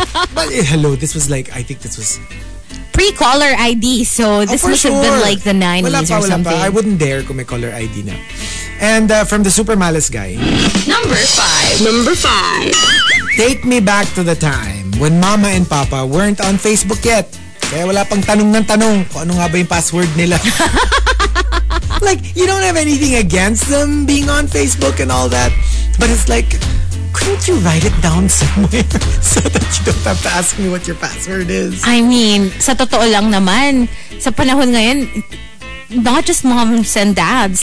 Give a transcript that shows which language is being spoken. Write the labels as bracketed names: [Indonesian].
[English] But this was like, I think this was... pre-caller ID, so this must have been like the 90s or something. I wouldn't dare [Filipino] kung may [English] caller ID na. And from the Super Malice Guy. Number five. Take me back to the time when Mama and Papa weren't on Facebook yet. [Filipino] Kaya wala pang tanong ng tanong kung ano nga ba yung password nila. [English] Like, you don't have anything against them being on Facebook and all that. But it's like, couldn't you write it down somewhere so that you don't have to ask me what your password is? [Filipino] I mean, sa totoo lang naman, sa panahon ngayon, [English] not just moms and dads.